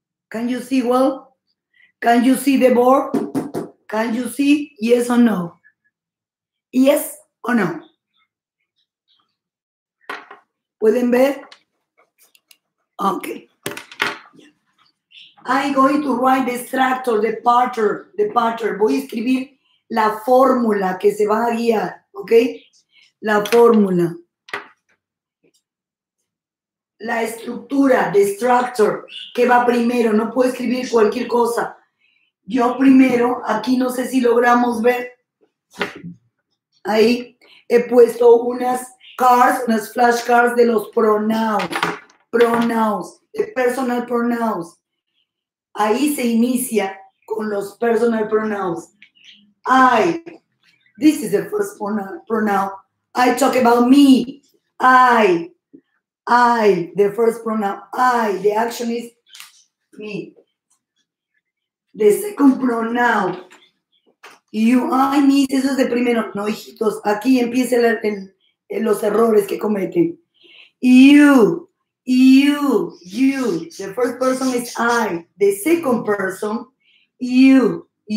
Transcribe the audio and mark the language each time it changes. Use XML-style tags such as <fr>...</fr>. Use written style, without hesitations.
<en>Can you see well? Can you see the board? Can you see yes or no? Yes or no?</en> <es>¿Pueden ver? Okay.</es> <en>I'm going to write the structure, the pattern.</en> <es>Voy a escribir la fórmula que se va a guiar, ¿ok? La fórmula. La estructura,</es> <en>the structure,</en> <es>que va primero. No puedo escribir cualquier cosa. Yo primero, aquí no sé si logramos ver. Ahí he puesto unas flashcards de los pronouns,</es> <en>the personal pronouns.</en> <es>Ahí se inicia con los personal pronouns.</es> <en>I, this is the first pronoun. I talk about me. I, the first pronoun. I, the action is me. The second pronoun. You, I, me,</en> <es>eso es de primero. No, hijitos, aquí empiezan los errores que cometen.</es> <en>You, the first person is I, the second person, you.</en>